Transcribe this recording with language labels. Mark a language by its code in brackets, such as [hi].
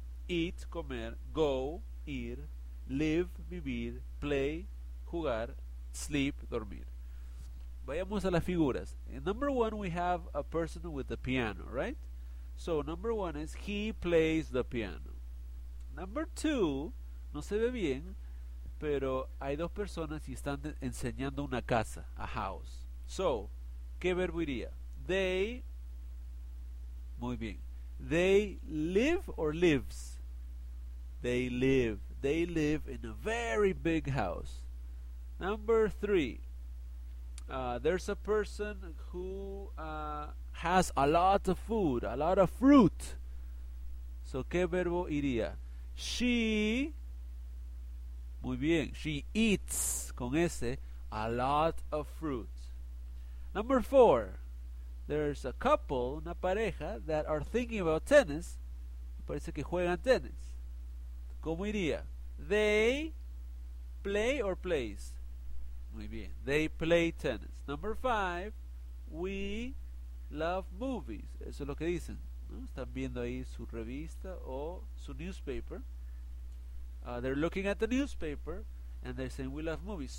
[en] Eat, [es] comer, [en] go, [es] ir, [en] live, [es] vivir, [en] play, [es] jugar, [en] sleep, [es] dormir. Vayamos a las figuras. [en] In number one, we have a person with the piano, right? So, number one is, he plays the piano. [es] Number two, no se ve bien, pero hay dos personas y están enseñando una casa, [en] a house. So, [es] ¿qué verbo iría? [en] They, [es] muy bien. [en] They live or lives? They live. They live in a very big house. Number three. There's a person who has a lot of food, a lot of fruit. [es] So, ¿qué verbo iría? [en] She, [es] muy bien, [en] she eats, [es] con S, [en] a lot of fruit. Number four. There's a couple, [es] una pareja, [en] that are thinking about tennis. [es] Parece que juegan tenis. ¿Cómo iría? [en] They play or plays? [es] Muy bien. [en] They play tennis. Number five. We love movies. [es] Eso es lo que dicen, ¿no? Están viendo ahí su revista o su newspaper. [en] They're looking at the newspaper and they're saying we love movies.